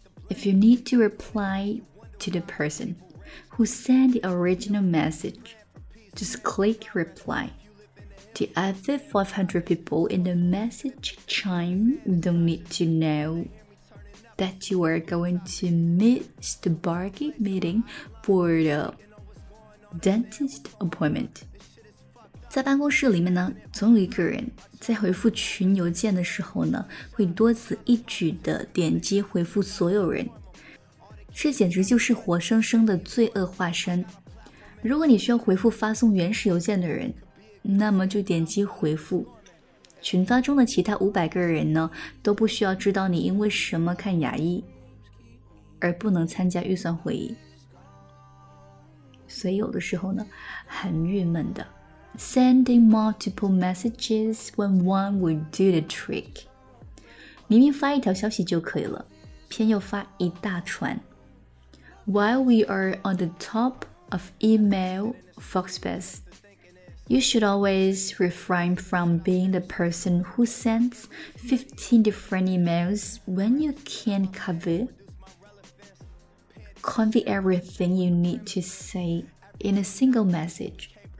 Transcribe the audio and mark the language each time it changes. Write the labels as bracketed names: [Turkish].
[English] If you need to reply to the person who sent the original message, just click reply. The other 500 people in the message chain don't need to know that you are going to miss the bargain meeting for the dentist appointment. [Chinese] 在办公室里面呢，总有一个人在回复群邮件的时候呢，会多此一举地点击回复所有人。这简直就是活生生的罪恶化身。如果你需要回复发送原始邮件的人，那么就点击回复。群发中的其他500个人呢，都不需要知道你因为什么看牙医而不能参加预算会议。所以有的时候呢很郁闷的。 [English] Sending multiple messages when one would do the trick. [Chinese] 明明发一条消息就可以了，偏又发一大串。 [English] While we are on the top of email foxpass,You should always refrain from being the person who sends 15 different emails when you can convey everything you need to say in a single message.